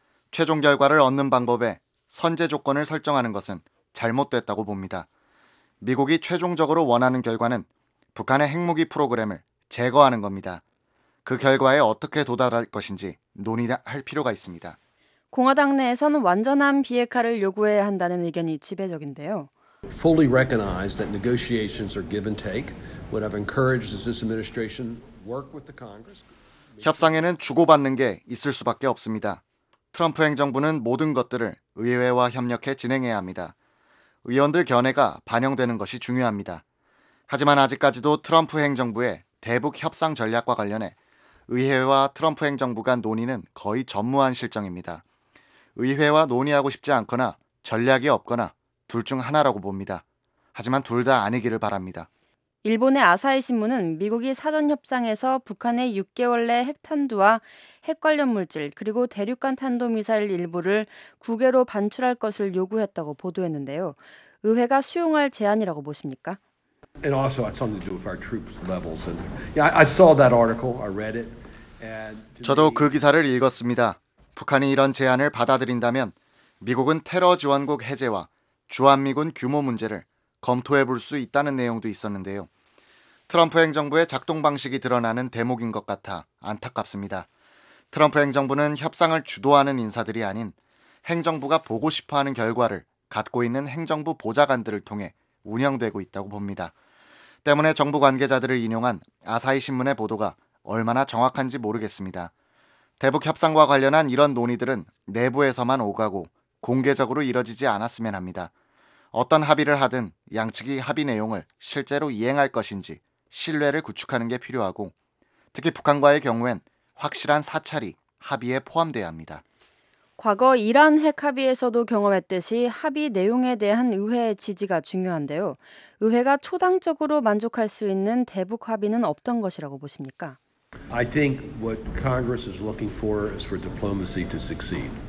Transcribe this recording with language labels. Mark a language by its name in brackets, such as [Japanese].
[Korean] 최종 결과를 얻는 방법에 선제 조건을 설정하는 것은 잘못됐다고 봅니다. 미국이 최종적으로 원하는 결과는 북한의 핵무기 프로그램을 제거하는 겁니다. 그 결과에 어떻게 도달할 것인지 논의할 필요가 있습니다. 공화당 내에서는 완전한 비핵화를 요구해야 한다는 의견이 지배적인데요. [English] Fully recognize that negotiations are give and take. Would have encouraged this administration work with the Congress. [Korean] 협상에는 주고받는 게 있을 수밖에 없습니다. 트럼프 행정부는 모든 것들을 의회와 협력해 진행해야 합니다. 의원들 견해가 반영되는 것이 중요합니다. 하지만 아직까지도 트럼프 행정부의 대북 협상 전략과 관련해 의회와 트럼프 행정부 간 논의는 거의 전무한 실정입니다. 의회와 논의하고 싶지 않거나 전략이 없거나 둘 중 하나라고 봅니다. 하지만 둘 다 아니기를 바랍니다. 일본의 아사히 신문은 미국이 사전 협상에서 북한의 6개월 내 핵탄두와 핵 관련 물질 그리고 대륙간 탄도미사일 일부를 국외로 반출할 것을 요구했다고 보도했는데요. 의회가 수용할 제안이라고 보십니까? [English] And also had something to do with our troops levels. And I saw that article. I read it. And [Korean] 저도 그 기사를 읽었습니다. 북한이 이런 제안을 받아들인다면 미국은 테러 지원국 해제와 주한미군 규모 문제를 검토해 볼 수 있다는 내용도 있었는데요. 트럼프 행정부의 작동 방식이 드러나는 대목인 것 같아 안타깝습니다. 트럼프 행정부는 협상을 주도하는 인사들이 아닌 행정부가 보고 싶어하는 결과를 갖고 있는 행정부 보좌관들을 통해 운영되고 있다고 봅니다. 때문에 정부 관계자들을 인용한 아사히 신문의 보도가 얼마나 정확한지 모르겠습니다. 대북 협상과 관련한 이런 논의들은 내부에서만 오가고 공개적으로 이뤄지지 않았으면 합니다. 어떤 합의를 하든 양측이 합의 내용을 실제로 이행할 것인지 신뢰를 구축하는 게 필요하고 특히 북한과의 경우엔 확실한 사찰이 합의에 포함돼야 합니다. 과거 이란 핵 합의에서도 경험했듯이 합의 내용에 대한 의회의 지지가 중요한데요. 의회가 초당적으로 만족할 수 있는 대북 합의는 어떤 것이라고 보십니까? [English] I think what Congress is looking for is for diplomacy to succeed.